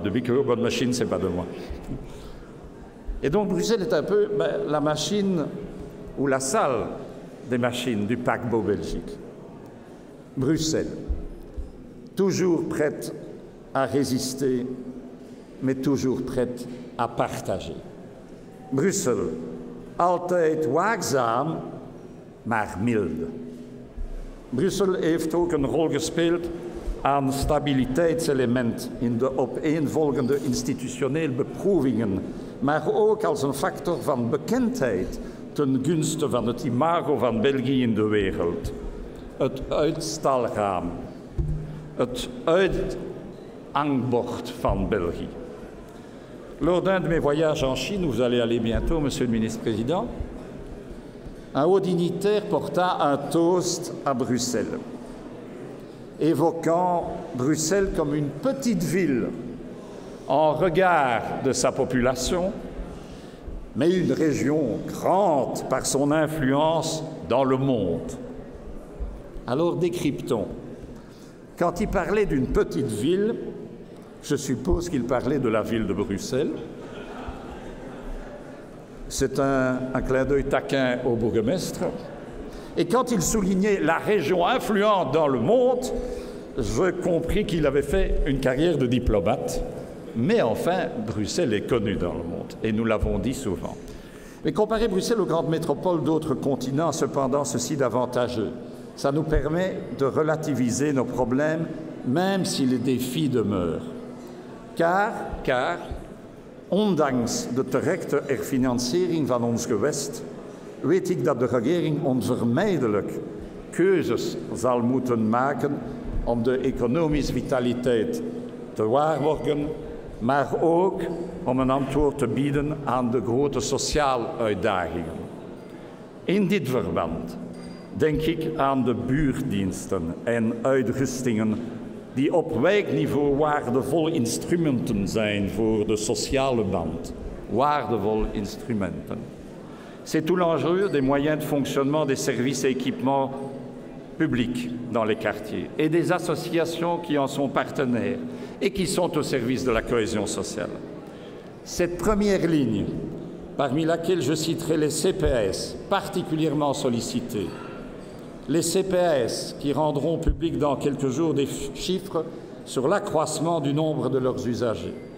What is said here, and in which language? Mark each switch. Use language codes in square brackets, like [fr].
[en] The big urban machine, [fr] c'est pas de moi. Et donc, Bruxelles est un peu la machine ou la salle des machines du paquebot Belgique. Bruxelles, toujours prête à résister, mais toujours prête à partager. [nl] Bruxelles, altijd waakzaam, maar mild. Bruxelles heeft ook een rol gespeeld aan stabiliteitselement in de opeenvolgende institutionele beproevingen, maar ook als een factor van bekendheid ten gunste van het imago van België in de wereld. Het uitstalraam, het uithangbord van België. [fr] Lors d'un de mes voyages en Chine, vous allez aller bientôt, monsieur le ministre-président, un haut dignitaire porta un toast à Bruxelles, évoquant Bruxelles comme une petite ville en regard de sa population, mais une région grande par son influence dans le monde. Alors décryptons. Quand il parlait d'une petite ville, je suppose qu'il parlait de la ville de Bruxelles. C'est un clin d'œil taquin au bourgmestre. Et quand il soulignait la région influente dans le monde, je compris qu'il avait fait une carrière de diplomate. Mais enfin, Bruxelles est connue dans le monde, et nous l'avons dit souvent. Mais comparer Bruxelles aux grandes métropoles d'autres continents, cependant, ceci d'avantageux. Ça nous permet de relativiser nos problèmes, même si les défis demeurent. [nl] Car, ondanks de terechte herfinanciering van ons gewest, weet ik dat de regering onvermijdelijk keuzes zal moeten maken om de economische vitaliteit te waarborgen, maar ook om een antwoord te bieden aan de grote sociale uitdagingen. In dit verband denk ik aan de buurtdiensten en uitrustingen die op wijkniveau waardevolle instrumenten zijn voor de sociale band. Waardevolle instrumenten. [fr] C'est tout l'enjeu des moyens de fonctionnement des services et équipements publics dans les quartiers et des associations qui en sont partenaires et qui sont au service de la cohésion sociale. Cette première ligne, parmi laquelle je citerai les CPAS, particulièrement sollicités, les CPAS qui rendront publics dans quelques jours des chiffres sur l'accroissement du nombre de leurs usagers.